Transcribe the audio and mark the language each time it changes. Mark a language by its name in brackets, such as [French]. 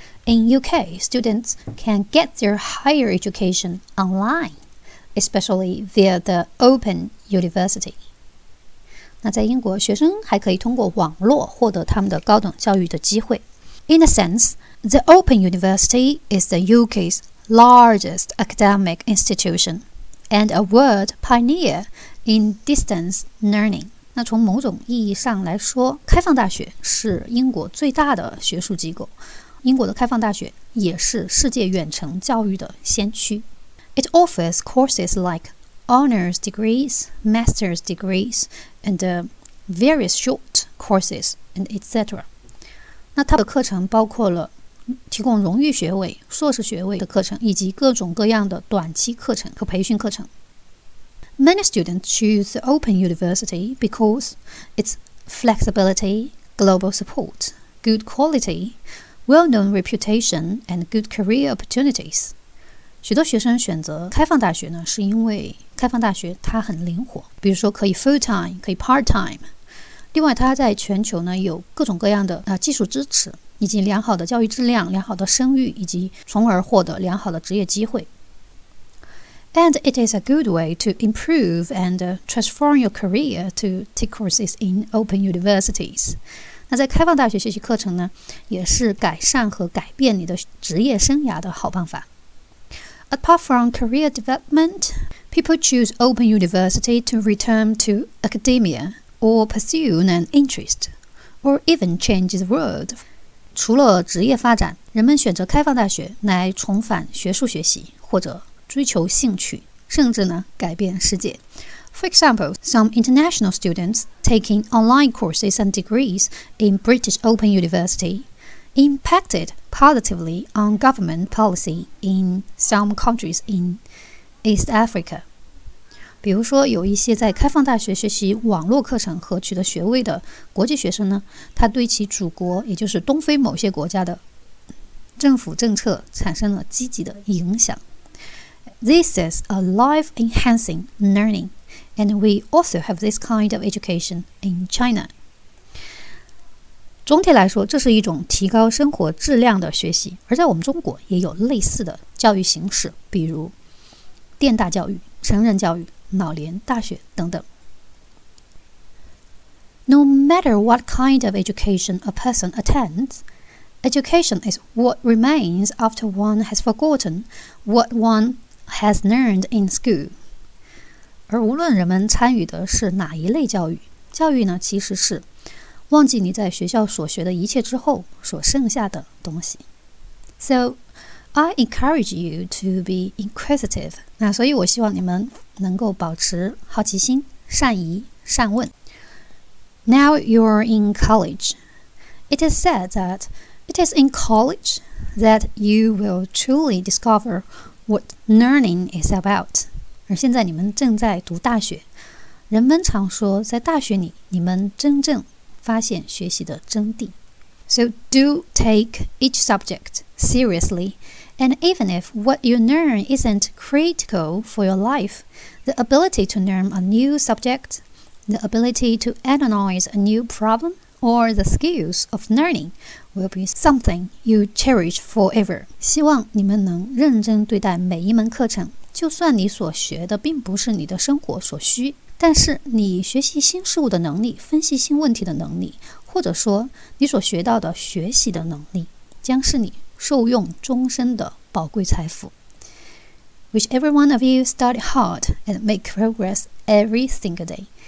[English] In UK, students can get their higher education online, especially via the Open University. [Chinese] 那在英国，学生还可以通过网络获得他们的高等教育的机会。 [English] In a sense, the Open University is the UK's largest academic institution and a world pioneer in distance learning. [Chinese] 那从某种意义上来说，开放大学是英国最大的学术机构。英国的开放大学也是世界远程教育的先驱。 [English] It offers courses like honors degrees, master's degrees, and various short courses, and etc. [Chinese] 那它的课程包括了提供荣誉学位、硕士学位的课程，以及各种各样的短期课程和培训课程。 [English] Many students choose the Open University because its flexibility, global support, good quality,well-known reputation and good career opportunities. [Chinese] 许多学生选择开放大学呢，是因为开放大学它很灵活，比如说可以 full-time, 可以 part-time. 另外它在全球呢有各种各样的技术支持，以及良好的教育质量，良好的声誉，以及从而获得良好的职业机会。 [English] And it is a good way to improve and transform your career to take courses in open universities. [Chinese] 那在开放大学学习课程呢，也是改善和改变你的职业生涯的好办法。 [English] Apart from career development, people choose open university to return to academia or pursue an interest or even change the world. [Chinese] 除了职业发展，人们选择开放大学来重返学术学习，或者追求兴趣，甚至呢改变世界。 [English] For example, some international students taking online courses and degrees in British Open University impacted positively on government policy in some countries in East Africa. [Chinese] 比如说有一些在开放大学学习网络课程和取得学位的国际学生呢，他对其祖国，也就是东非某些国家的政府政策产生了积极的影响。 [English] This is a life-enhancing learning. And we also have this kind of education in China. [Chinese] 总体来说，这是一种提高生活质量的学习，而在我们中国也有类似的教育形式，比如电大教育、成人教育、脑联大学等等。 [English] No matter what kind of education a person attends, education is what remains after one has forgotten what one has learned in school. [Chinese] 而无论人们参与的是哪一类教育，教育呢其实是忘记你在学校所学的一切之后所剩下的东西。 [English] So I encourage you to be inquisitive. [Chinese] 那所以我希望你们能够保持好奇心、善疑、善问。 [English] Now you're in college. It is said that it is in college that you will truly discover what learning is about. [Chinese] 而现在你们正在读大学，人们常说在大学里你们真正发现学习的真谛。 [English] So do take each subject seriously, and even if what you learn isn't critical for your life, the ability to learn a new subject, the ability to analyze a new problem, or the skills of learning will be something you cherish forever. [Chinese] 希望你们能认真对待每一门课程，就算你所学的并不是你的生活所需，但是你学习新事物的能力、分析新问题的能力，或者说你所学到的学习的能力，将是你受用终身的宝贵财富。 [English] Wish every one of you study hard and make progress every single day.